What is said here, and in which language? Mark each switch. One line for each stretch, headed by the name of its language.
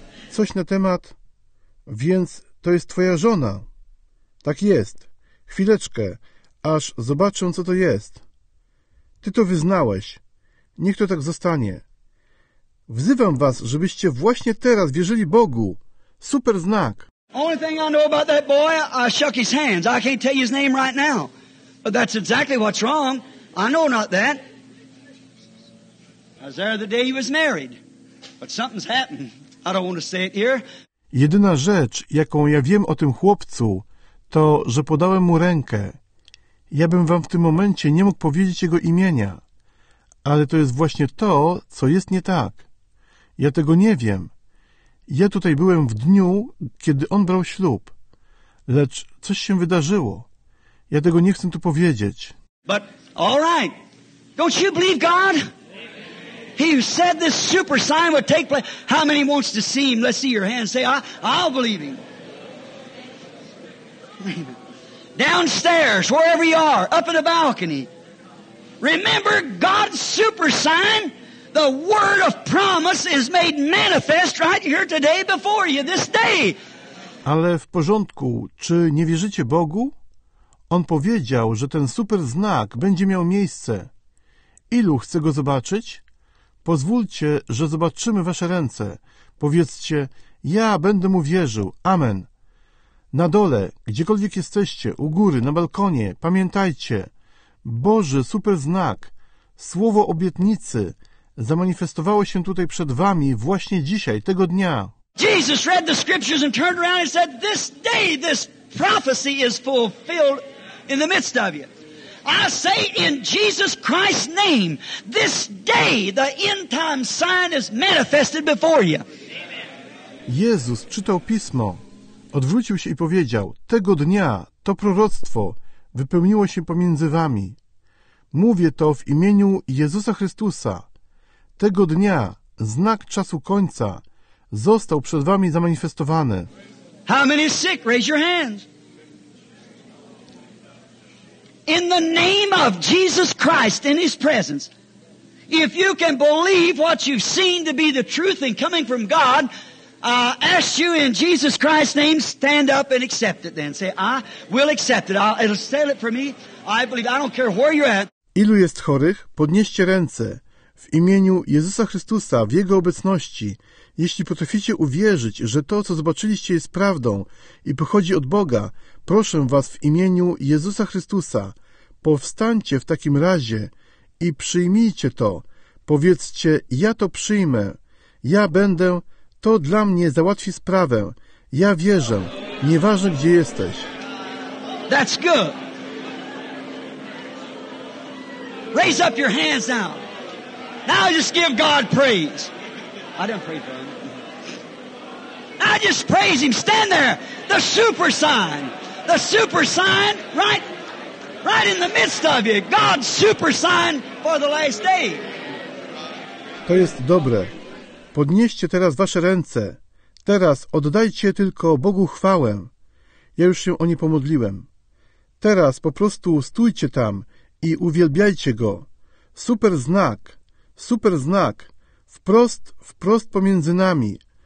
Polish: Coś na temat. Więc to jest twoja żona. Tak jest. Chwileczkę. Aż zobaczę, co to jest. Ty to wyznałeś. Niech to tak zostanie. Wzywam was, żebyście właśnie teraz wierzyli Bogu. Super znak.
English: Only thing I know about that boy, I shook his hands. I can't tell you his name right now. But that's exactly what's wrong. I know not that. I was there the day he was married. But something's happened. I don't want to say it here.
Polish: Jedyna rzecz, jaką ja wiem o tym chłopcu, to, że podałem mu rękę. Ja bym wam w tym momencie nie mógł powiedzieć jego imienia, ale to jest właśnie to, co jest nie tak. Ja tego nie wiem. Ja tutaj byłem w dniu, kiedy on brał ślub, lecz coś się wydarzyło. Ja tego nie chcę tu powiedzieć.
English: But all right. Don't you believe God? He said this super sign would take place. How many wants to see him? Let's see your hands. Say, I'll believe him. Downstairs, wherever you are, up in the balcony. Remember God's super sign? The word of promise is made manifest right here today before you this day.
Polish: Ale w porządku, czy nie wierzycie Bogu? On powiedział, że ten super znak będzie miał miejsce. Ilu chce go zobaczyć? Pozwólcie, że zobaczymy wasze ręce. Powiedzcie, ja będę mu wierzył. Amen. Na dole, gdziekolwiek jesteście, u góry, na balkonie, pamiętajcie. Boży super znak, słowo obietnicy, zamanifestowało się tutaj przed wami właśnie dzisiaj, tego dnia.
English: Jesus read the scriptures and turned around and said, this day this prophecy is fulfilled in the midst of you. I say in Jesus Christ's name, this day the end time sign is manifested before you.
Polish: Jezus czytał pismo, odwrócił się i powiedział, tego dnia to proroctwo wypełniło się pomiędzy wami. Mówię to w imieniu Jezusa Chrystusa. Tego dnia znak czasu końca został przed wami zamanifestowany.
English: How many are sick? Raise your hands. In the name of Jesus Christ, in his presence, if you can believe what you've seen to be the truth and coming from God, I ask you in Jesus Christ's name, stand up and accept it then. Say, I will accept it. It'll sell it for me. I believe. I don't care where you're at.
Polish: Ilu jest chorych? Podnieście ręce. W imieniu Jezusa Chrystusa, w Jego obecności, jeśli potraficie uwierzyć, że to, co zobaczyliście, jest prawdą i pochodzi od Boga, proszę was w imieniu Jezusa Chrystusa, powstańcie w takim razie i przyjmijcie to. Powiedzcie, ja to przyjmę. Ja będę, to dla mnie załatwi sprawę. Ja wierzę, nieważne gdzie jesteś.
English: That's good. Raise up your hands now. Now just give God praise. I don't pray for him. Now just praise him. Stand there. The super sign. The super sign right in the midst of you. God's super sign for the last day.
Polish: To jest dobre. Podnieście teraz wasze ręce. Teraz oddajcie tylko Bogu chwałę. Ja już się o nie pomodliłem. Teraz po prostu stójcie tam i uwielbiajcie Go. Super znak. Super znak, wprost pomiędzy nami.